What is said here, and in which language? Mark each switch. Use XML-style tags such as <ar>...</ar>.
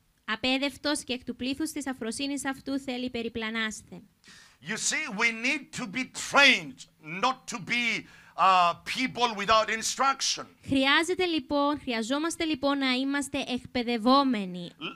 <el>Απέδευτος και εκ του πλήθους της αφροσύνης αυτού θέλει περιπλανάστε.</el> <en>You see, we need to be trained, not to be people without instruction.</en> <el>Χρειάζομαστε λοιπόν να είμαστε εκπαιδευόμενοι.</el>